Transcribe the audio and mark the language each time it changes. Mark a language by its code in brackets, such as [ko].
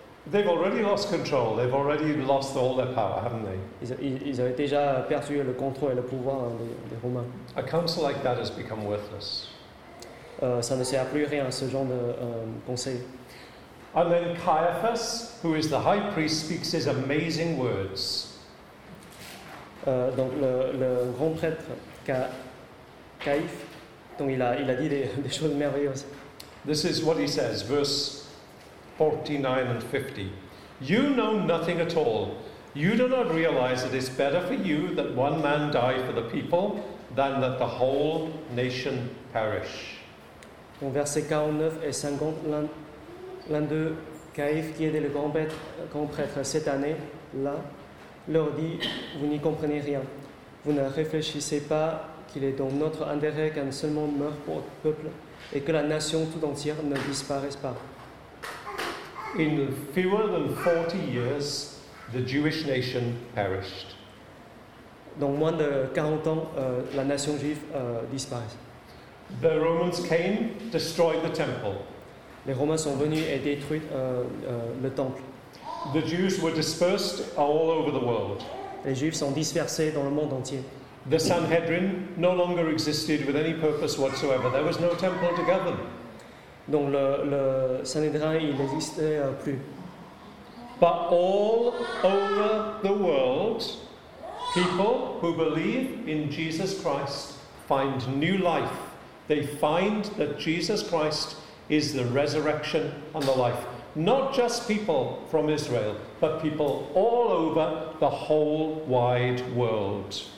[en] They've already lost control. They've already lost all their power, haven't they? [fr] Ils avaient déjà perdu le contrôle et le pouvoir des Romains. [en] A council like that has become worthless. [fr] Ça ne sert plus rien ce genre de conseil. [en] And then Caiaphas, who is the high priest, speaks his amazing words. [fr] Donc le grand prêtre Caïphe, dont il a dit des choses merveilleuses. [en] This is what he says, verse 49 and 50. You know nothing at all. You do not realize that it's better for you that one man die for the people than that the whole nation perish. [fr] Donc verset 49 et 50, l'un d'eux, Caïphe, qui était le grand prêtre cette année-là, leur dit, vous n'y comprenez rien. Vous ne réfléchissez pas qu'il est dans notre intérêt qu'un seul monde meure pour le peuple et que la nation tout entière ne disparaisse pas. [en] In fewer than 40 years, the Jewish nation perished. [fr] Dans moins de 40 ans, la nation juive disparaît. [en] The Romans came, destroyed the temple. [fr] Les Romains sont venus et détruisent le temple. [en] The Jews were dispersed all over the world. [fr] Les Juifs sont dispersés dans le monde entier. [en] The Sanhedrin no longer existed with any purpose whatsoever. There was no temple to govern. [fr] Donc le Sanhédrin, il n'existait plus. [en] But all over the world, people who believe in Jesus Christ find new life. They find that Jesus Christ is the resurrection and the life. Not just people from Israel, but people all over the whole wide world.